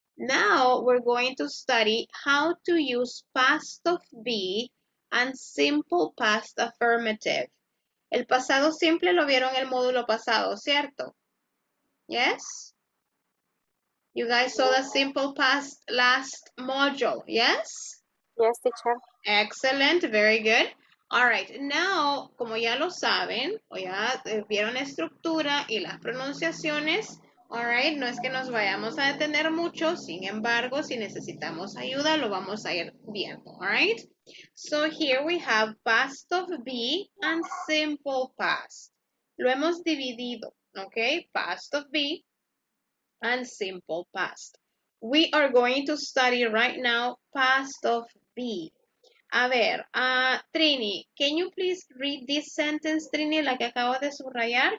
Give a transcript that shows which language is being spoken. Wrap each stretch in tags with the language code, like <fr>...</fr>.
<en>Now we're going to study how to use past of be and simple past affirmative.</en> <es>El pasado simple lo vieron el módulo pasado, ¿cierto?</es> <en>Yes? You guys saw the simple past last module, yes? Yes, teacher. Excellent, very good.</en> <es>All right, now, como ya lo saben, o ya vieron la estructura y las pronunciaciones, all right, no es que nos vayamos a detener mucho, sin embargo, si necesitamos ayuda, lo vamos a ir viendo, all right?</es> <en>So here we have past of be and simple past.</en> <es>Lo hemos dividido,</es> <en>okay? Past of be and simple past. We are going to study right now past of be.</en> <es>A ver, Trini,</es> <en>can you please read this sentence,</en> <es>Trini, la que acabo de subrayar?</es>